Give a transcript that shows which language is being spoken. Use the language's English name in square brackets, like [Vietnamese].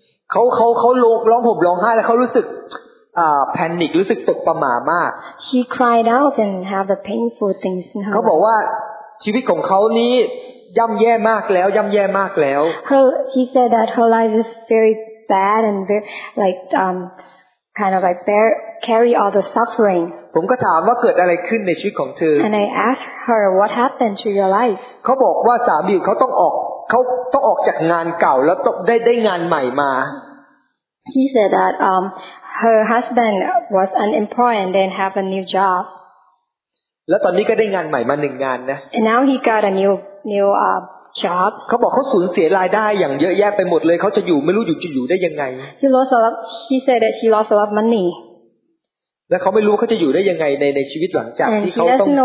[Thai] เขาร้องห่มร้องไห้แล้วเขารู้สึกแพนิครู้สึกตกประหม่ามาก [English] She cried out and have the painful things in her [Thai] เขาบอกว่าชีวิตของเขานี้ ย่ำแย่มากแล้วย่ำแย่มากแล้ว [English] she said that her life is very bad and very kind of like bear carry all the suffering [Thai] ผมก็ถามว่าเกิดอะไรขึ้นในชีวิตของเธอ [English] and I asked her what happened to your life [Thai] เขาบอกว่าสามีเขาต้องออกเขาต้องออกจากงานเก่าแล้วต้องได้งานใหม่มา [English] He said that her husband was unemployed and then have a new job. [Thai] แล้วตอนนี้ก็ได้งานใหม่มา1งานนะ [English] And now he got a new job. [Thai] เขาบอกเขาสูญเสียรายได้อย่างเยอะแยะไปหมดเลยเขาจะอยู่ไม่รู้จะอยู่ได้ยังไง [English] He said that she lost a lot of money. [Thai] แล้วเขาไม่รู้เขาจะอยู่ได้ยังไงในชีวิตหลังจากที่เขาต้อง